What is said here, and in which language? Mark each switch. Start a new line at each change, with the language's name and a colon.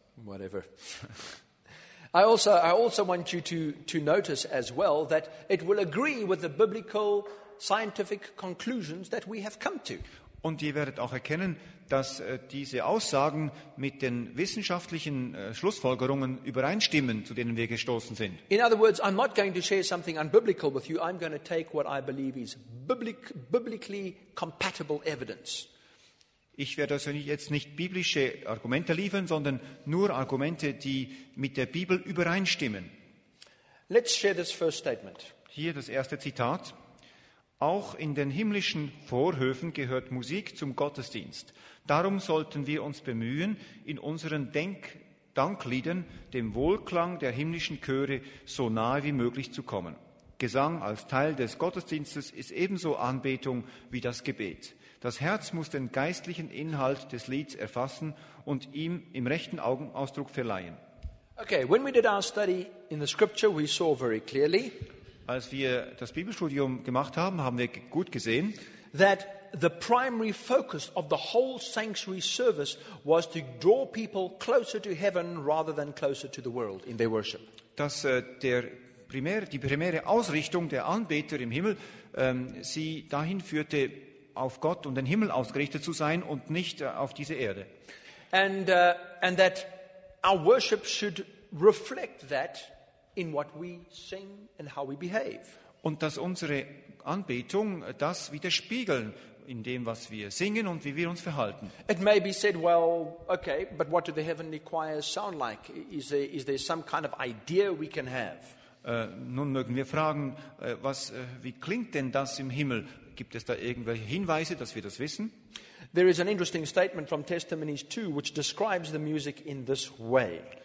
English: Whatever. I also want you to notice as well that it will agree with the biblical scientific conclusions that we have come to.
German: Und ihr werdet auch erkennen, dass diese Aussagen mit den wissenschaftlichen Schlussfolgerungen übereinstimmen, zu denen wir gestoßen sind.
English: In other words, I'm not going to share something unbiblical with you. I'm going to take what I believe is biblically compatible evidence.
German: Ich werde also jetzt nicht biblische Argumente liefern, sondern nur Argumente, die mit der Bibel übereinstimmen.
English: Let's share this first statement.
German: Hier das erste Zitat. Auch in den himmlischen Vorhöfen gehört Musik zum Gottesdienst. Darum sollten wir uns bemühen, in unseren Dankliedern dem Wohlklang der himmlischen Chöre so nahe wie möglich zu kommen. Gesang als Teil des Gottesdienstes ist ebenso Anbetung wie das Gebet. Das Herz muss den geistlichen Inhalt des Lieds erfassen und ihm im rechten Augenausdruck verleihen.
English: Okay, when we did our study in the scripture, we saw very clearly,
German: als wir das Bibelstudium gemacht haben, haben wir gut gesehen,
English: that the primary focus of the whole sanctuary service was to draw people closer to heaven rather than closer to the world in their worship.
German: Dass die primäre Ausrichtung der Anbeter im Himmel sie dahin führte, auf Gott und den Himmel ausgerichtet zu sein und nicht auf diese Erde.
English: And that our worship should reflect that in what we sing and how we behave.
German: Und dass unsere Anbetung das widerspiegeln in dem, was wir singen und wie wir uns verhalten.
English: It may be said, well, okay, but what do the heavenly choirs sound like? Is there some kind of idea we can have?
German: Nun mögen wir fragen, wie klingt denn das im Himmel? Gibt es da irgendwelche Hinweise, dass wir das wissen?
English: There is an interesting statement from Testimonies 2, which describes the music in this way.